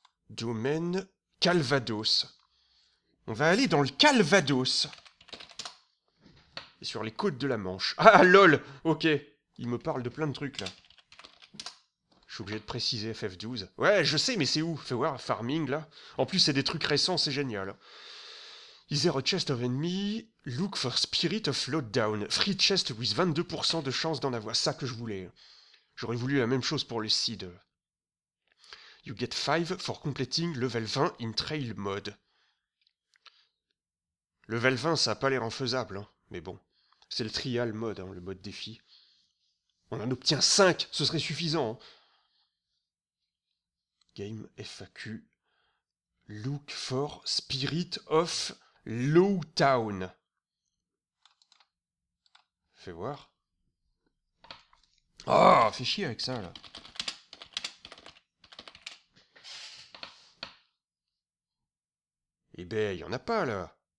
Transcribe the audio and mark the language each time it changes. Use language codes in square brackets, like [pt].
[fr] Domaine Calvados. On va aller dans le Calvados. Et sur les côtes de la Manche. Ah, lol! Ok. Il me parle de plein de trucs, là. Je suis obligé de préciser FF12. Ouais, je sais, mais c'est où? Fais voir, farming, là. En plus, c'est des trucs récents, c'est génial. [en] Is there a chest of enemy? Look for spirit of lowdown. Free chest with 22% [fr] de chance d'en avoir. Ça que je voulais. J'aurais voulu la même chose pour le seed. [en] You get 5 for completing level 20 in trail mode. [fr] Level 20, ça a pas l'air infaisable, hein. Mais bon. C'est le trial mode, hein, le mode défi. On en obtient 5, ce serait suffisant, hein. Game FAQ. [en] Look for Spirit of Lowtown. [fr] Fais voir. Ah, oh, fais chier avec ça, là. Eh ben, il n'y en a pas, là.